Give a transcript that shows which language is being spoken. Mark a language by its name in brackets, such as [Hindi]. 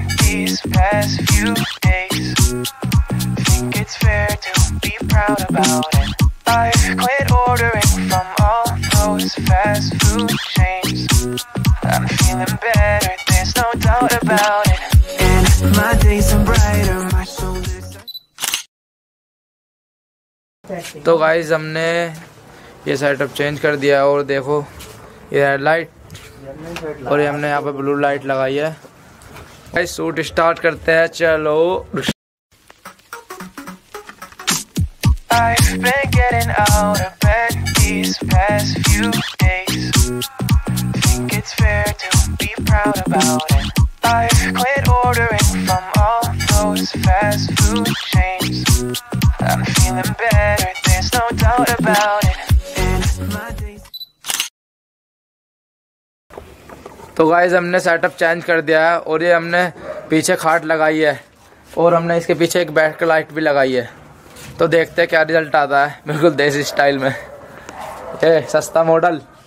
[English] These past few days, think it's fair to be proud about it. I quit ordering from all those fast food chains. I'm feeling better, there's no doubt about it. And my days are brighter, my shoulders are... [Hindi] तो guys हमने ये setup change कर दिया, और देखो ये headlight, और ये हमने यहाँ पे ब्लू लाइट लगाई है। गाइस शूट स्टार्ट करते हैं, चलो। [English] I've been getting out of bed these past few days. Think it's fair to be proud about it. I quit ordering from all those fast food chains. I'm feeling better, there's no doubt about it. [Hindi] तो guys हमने setup change कर दिया है, और ये हमने पीछे खाट लगाई है, और हमने इसके पीछे एक बैक लाइट भी लगाई है। तो देखते हैं क्या रिजल्ट आता है, बिल्कुल देसी स्टाइल में। ए सस्ता मॉडल।